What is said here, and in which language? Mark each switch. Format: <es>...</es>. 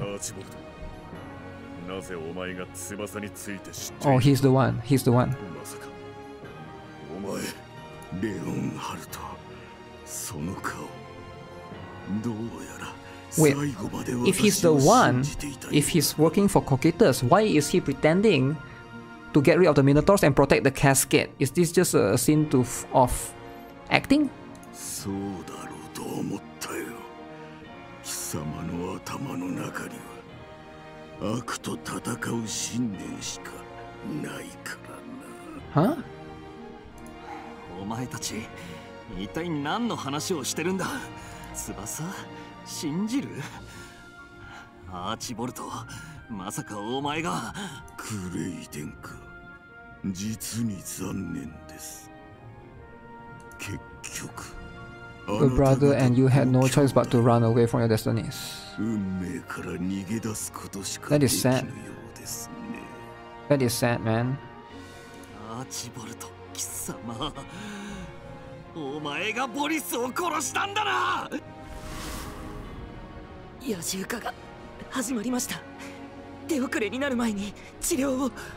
<ja>アーチボルト、なぜお前が翼について知っている</ja> <en>。 Oh, he's the one。</en> <ja>まさかお前、レオンハルト、その顔、どうやら最後まで私を信じていた。</ja> <en>Wait, if he's the one, if he's working for Cocytus, why is he pretending to get rid of the Minotaurs and protect the casket? Is this just a scene of acting?</en> <ja>そうだろうと思ったよ。貴様の頭の中には悪と戦う信念しかないからな。は？お前たち一体何の話をしてるんだ。翼、信じる？アーチボルト、まさかお前が。クレイデンか。実に残念です。結局、</ja> <en>Your brother and you had no choice but to run away from your destinies.</en> <ja>運命から逃げ出すことしかできぬようですね。</ja> <en>That is sad, man.</en> <ja>アーチボルト、貴様。お前がボリスを殺したんだな。野獣化が始まりました。手遅れになる前に治療を。</ja>